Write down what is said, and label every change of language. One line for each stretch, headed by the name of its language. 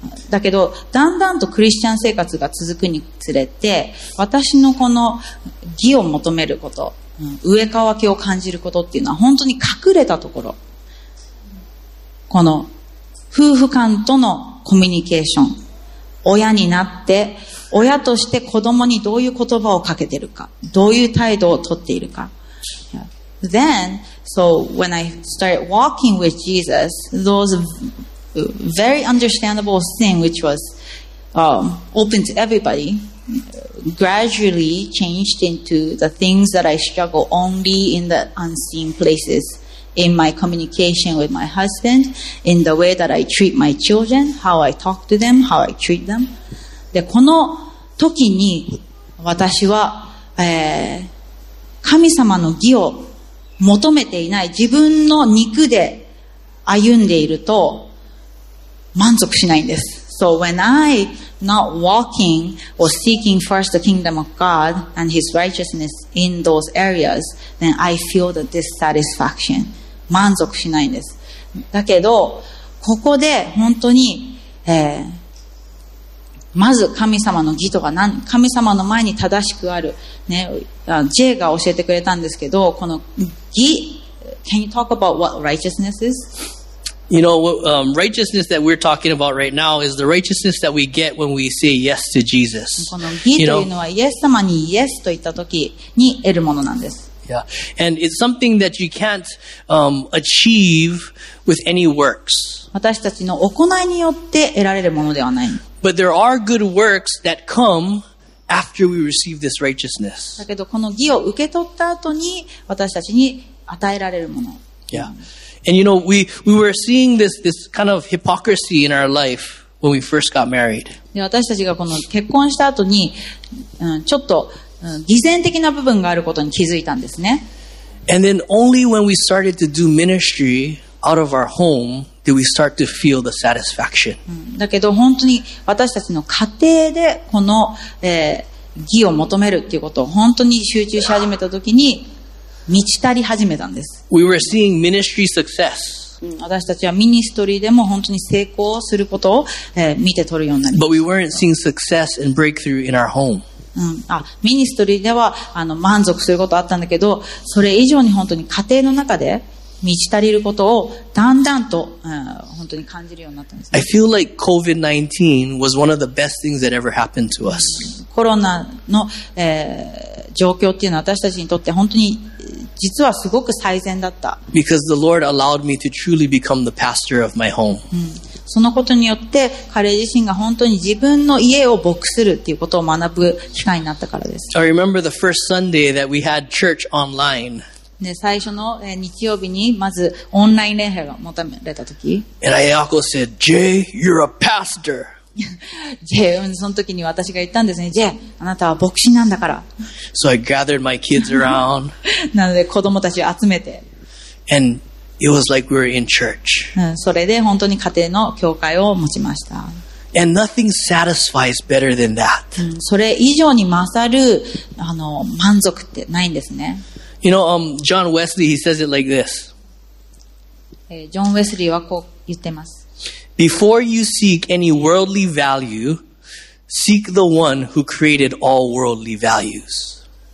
Japanese: だけど、だんだんとクリスチャン生活が続くにつれて、私のこの義を求めること、うん、上渇きを感じることっていうのは本当に隠れたところ、この夫婦間とのコミュニケーション。親になって親として子供にどういう言葉をかけてるか、どういう態度をとっているか、
English: Then, so when I started walking with Jesus, those very understandable thing which was open to everybody gradually changed into the things that I struggle only in the unseen places, in my communication with my husband, in the way that I treat my children, how I talk to them, how I treat them.
Japanese: で、この時に私は、神様の義を求めていない自分の肉で歩んでいると満足しないんです。
English: So when I not walking or seeking first the kingdom of God and his righteousness in those areas, then I feel the dissatisfaction.
Japanese: 満足しないんです。だけど、ここで本当に、まず神様の義とは何、神様の前に正しくある、ね、J が教えてくれたんですけど、この義、
English: can you talk about what righteousness is? You know, righteousness that we're talking about right now is the righteousness that we get when we say yes to Jesus.
Japanese: この義というのは、イエス様にイエスと言った時に得るものなんです。
English: Yeah. And it's something that you can't, achieve with any works.
Japanese: 私たちの行いによって得られるものではない。
English: But there are good works that come after we receive this righteousness.
Japanese: だけど、この義を受け取った後に私たちに与えられるもの。
English: Yeah. And you know, we were seeing this kind of hypocrisy in our life when we first got married.
Japanese: 私たちがこの結婚した後に、ちょっと、偽善的な部分があることに気づいたんですね。
English: And then only when we started to do ministry out of our home did we start to feel the satisfaction.
Japanese: だけど本当に私たちの家庭でこの、義を求めるっていうことを本当に集中し始めた時に、満ち足り始めたんです。
English: We were seeing ministry success.
Japanese: 私たちはミニストリーでも本当に成功することを、見て取るようになりました
English: 。But we weren't seeing success and breakthrough in our home.
Japanese: ミニストリーでは満足することあったんだけど、それ以上に本当に家庭の中で満ち足りることをだんだんと、本当に感じるようになったんです、ね。
English: I feel like COVID-19 was one of the best things that ever happened to us.
Japanese: コロナの、状況っていうのは私たちにとって本当に実はすごく最善だった。
English: Because the Lord allowed me to truly become the pastor of my home.
Japanese: そのことによって彼自身が本当に自分の家を牧するっていうことを学ぶ機会になったからです。
English: I remember the first Sunday that we had church online.
Japanese: 最初の日曜日にまずオンライン礼拝が持たれた時。
English: And Ayako said, Jay, you're a pastor.
Japanese: Jay, その時に私が言ったんですね。 Jay, あなたは牧師なんだから。
English: So I gathered my kids around.
Japanese: なので子供たちを集めて。
English: And it was like we were in church.
Japanese: それで本当に家庭の教会を持ちました。
English: And nothing satisfies better than that.
Japanese: それ以上に勝る、満足ってないんですね。
English: You know, John Wesley, he says it like this.
Japanese: ジョン・ウェスリーはこう言ってます。
English: Before you seek any worldly value, seek the one who created all worldly values.